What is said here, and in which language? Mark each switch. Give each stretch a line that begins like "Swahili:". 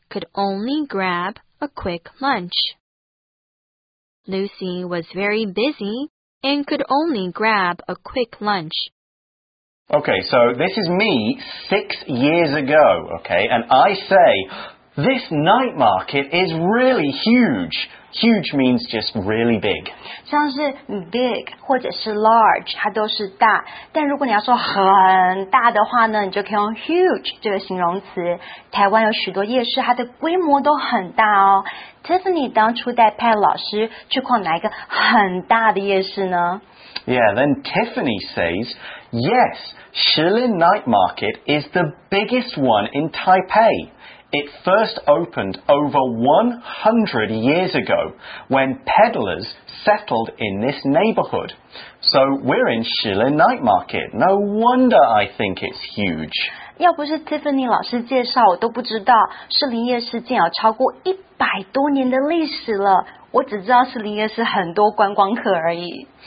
English: could only grab a quick lunch. Lucy was very busy and could only grab a quick lunch. Okay, so this is me 6 years ago, okay? And I say, this night market is really huge. Huge means just really big.
Chinese: 像是 big 或者是 large, 它都是大。但如果你要说很大的话呢，你就可以用 huge 这个形容词。台湾有许多夜市，它的规模都很大哦。Tiffany 当初带 Pat 老师去逛哪一个很大的夜市呢？
English: Yeah, then Tiffany says, yes, Shilin Night Market is the biggest one in Taipei. It first opened over 100 years ago when peddlers settled in this neighborhood. So we're in Shilin Night Market. No wonder I think it's huge.
Chinese: 要不是 Tiffany 老师介绍，我都不知道士林夜市竟有超过100多年的历史了。我只知道士林夜市很多观光客而已。